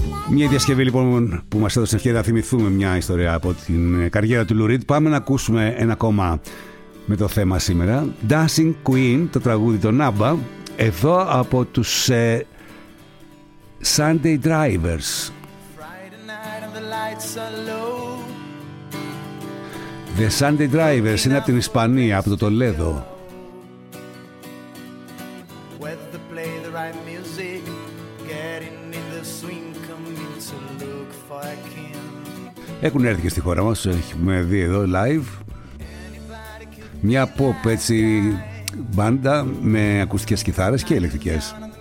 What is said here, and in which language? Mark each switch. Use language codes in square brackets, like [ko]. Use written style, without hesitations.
[el] Μια διασκευή λοιπόν που μας έδωσε ευκαιρία να θυμηθούμε μια ιστορία από την καριέρα του Lou Reed. Πάμε να ακούσουμε ένα ακόμα με το θέμα σήμερα, Dancing Queen, το τραγούδι των ABBA. Εδώ από τους Sunday Drivers. [en] Friday night and the lights are low. [el] The Sunday Drivers είναι από την Ισπανία, από το Τολέδο. [en] Whether to play the right music, getting in the swing, coming to look for a king. [el] Έχουν έρθει και στη χώρα μας, έχουμε δει εδώ live. Μια pop έτσι... μπάντα με ακουστικές κιθάρες και ηλεκτρικές.